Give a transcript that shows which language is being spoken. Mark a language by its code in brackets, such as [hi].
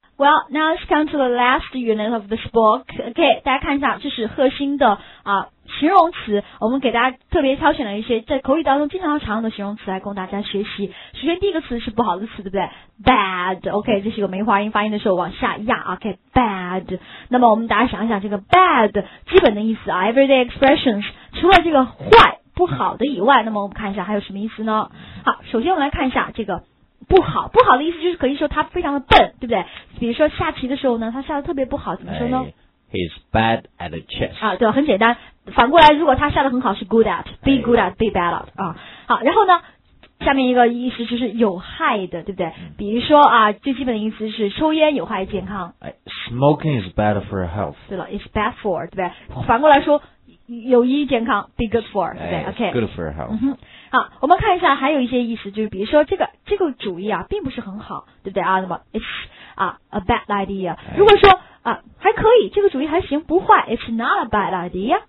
[en] Well, now let's come to the last unit of this book. [zh] Okay, 大家看一下，这是核心的啊形容词。我们给大家特别挑选了一些在口语当中经常常用的形容词来供大家学习。首先第一个词是不好的词，对不对 ？ [en] Bad. Okay, [zh] 这是一个梅花音发音的时候往下压。 [en] Okay, bad. [zh] 那么我们大家想一想这个 bad 基本的意思啊 ， [en] everyday expressions [zh] 除了这个坏不好的以外，那么我们看一下还有什么意思呢？好，首先我们来看一下这个。不好，不好的意思就是可以说他非常的笨，对不对？比如说下棋的时候呢，他下的特别不好，怎么说呢 [en] ？He's bad at chess. [zh] 啊，对，很简单。反过来，如果他下的很好，是 [en] good at, be good at, be bad at. [zh] 啊，好，然后呢，下面一个意思就是有害的，对不对？比如说啊，最基本的意思是抽烟有害健康。 [en] Smoking is bad for your health. [zh] 对了 ， [en] it's bad for, [zh] 对不对？反过来说，有益健康 ， [en] be good for, [zh] 对不对 ？OK, [en] good for your health.、 [zh] 嗯好，我们看一下还有一些意思，就是比如说这个主意啊，并不是很好，对不对啊？那么 [en] it's [zh] 啊、 [en] a bad idea。 [zh] 如果说啊、还可以，这个主意还行，不坏 ， [en] it's not a bad idea。